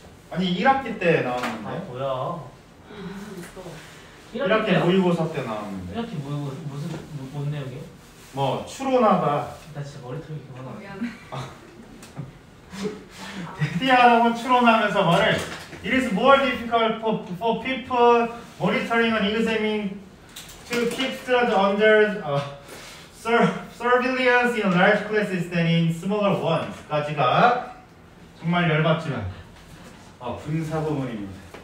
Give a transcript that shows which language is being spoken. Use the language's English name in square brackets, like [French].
[Korean] 아니 1학기 때 나왔는데. 아 뭐야 1학기 모의고사 때 나왔는데. 1학기 모의고사 무슨 뭔 내용이야? 뭐 추론하다. 나 진짜 머리통이 그만하네. 미안해. 데디아라고 추론하면서 말을. [English] It is more difficult for people monitoring and examining to keep students under surveillance in large classes than in smaller ones. [Korean] 까지가 정말 열받지만 분사 부분입니다.